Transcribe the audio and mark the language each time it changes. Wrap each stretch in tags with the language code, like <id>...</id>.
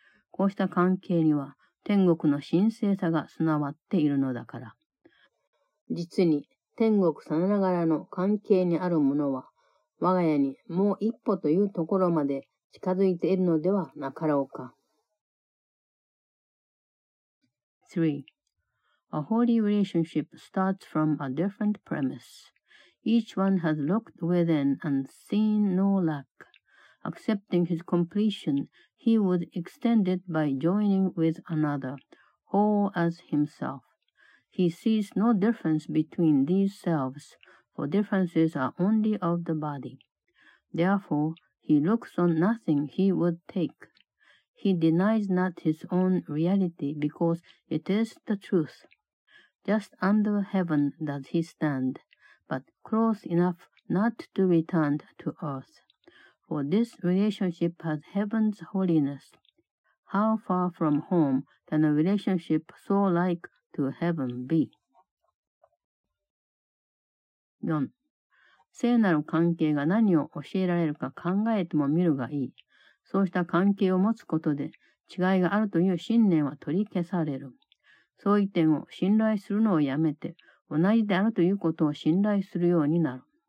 <ja>こうした関係には天国の神聖さが備わっているのだから。実に天国さながらの関係にあるものは、我が家にもう一歩というところまで近づいているのではなかろうか。 3.</ja> <en>A holy relationship starts from a different premise. Each one has looked within and seen no lack. Accepting his completion, he would extend it by joining with another, whole as himself. He sees no difference between these selves, for differences are only of the body. Therefore, he looks on nothing he would take. He denies not his own reality because it is the truth. Just under heaven does he stand, but close enough not to return to earth. For this relationship has heaven's holiness. How far from home can a relationship so like to heaven be? 4.</en> <ja>聖なる関係が何を教えられるか考えても見るがいい。そうした関係を持つことで、違いがあるという信念は取り消される。相違点を信頼するのをやめて、同じであるということを信頼するようになる。</ja>